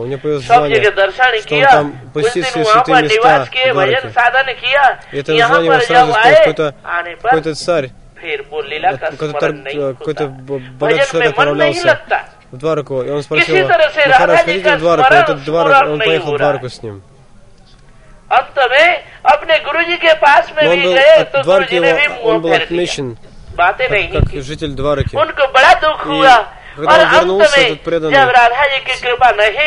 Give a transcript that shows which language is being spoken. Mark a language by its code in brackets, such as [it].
[ru] У него появилось желание, что он там посетит все святые места в Двараке. И это желание его сразу сказал, какой-то царь, какой-то богатый человек отправлялся в Двараку. И он спросил, ну хорошо, ходите в Двараку, этот Дварак, он поехал в Двараку с ним. [hi] अंत में अपने गुरुजी के पास में भी गए तो गुरुजी ने भी मुंह फेर दिया बातें नहीं [ru] как житель Двараки [hi] उनको बड़ा दुख हुआ [ru] Когда он вернулся, этот преданный